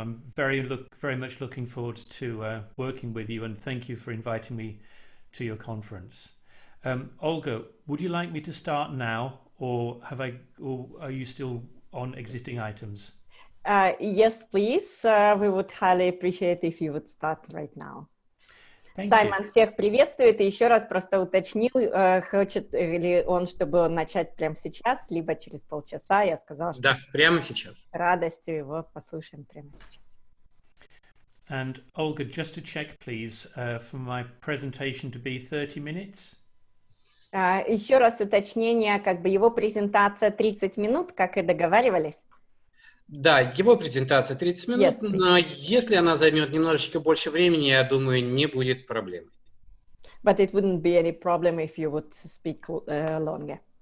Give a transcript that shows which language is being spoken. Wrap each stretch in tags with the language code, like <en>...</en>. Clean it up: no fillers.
<en>I'm very much looking forward to working with you, and thank you for inviting me to your conference. Olga, would you like me to start now, or are you still on existing items? Yes, please. We would highly appreciate if you would start right now.</en> <ru>Саймон, всех приветствует. И еще раз просто уточнил, хочет ли он, чтобы начать прямо сейчас, либо через полчаса. Я сказал, что да, прямо сейчас. Радостью его послушаем прямо сейчас.</ru> <en>And Olga, just to check, please, for my presentation to be 30 minutes.</en> <ru>Еще раз уточнение, как бы его презентация 30 минут, как и договаривались. Да, его презентация 30 минут,</ru> <en>yes,</en> <ru>но если она займет немножечко больше времени, я думаю, не будет проблем.</ru> <en>But it wouldn't be any problem if you would speak longer.</en>